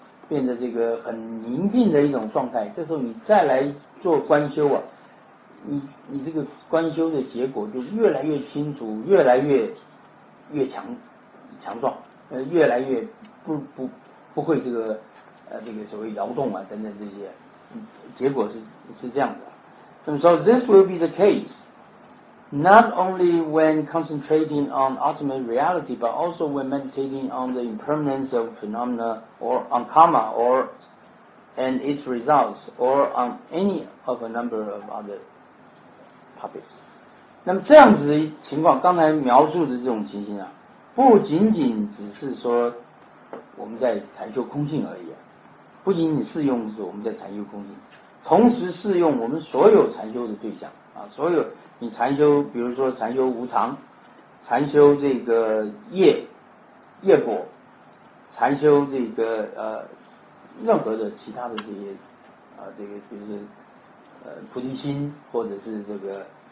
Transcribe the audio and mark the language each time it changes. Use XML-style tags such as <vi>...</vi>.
<zh>变得这个很宁静的一种状态，这时候你再来做观修啊，你这个观修的结果就越来越清楚，越来越强壮。越来越不会这个这个所谓摇动啊等等这些，结果是这样的。</zh> <en>And so this will be the case not only when concentrating on ultimate reality but also when meditating on the impermanence of phenomena or on karma or and its results or on any of a number of other topics.</en> <zh>那么这样子的情况，刚才描述的这种情形啊，不仅仅只是说我们在禅修空性而已，不仅仅适用是我们在禅修空性，同时适用我们所有禅修的对象啊，所有你禅修，比如说禅修无常，禅修这个业果，禅修这个任何的其他的这些这个比如说菩提心，或者是这个</zh>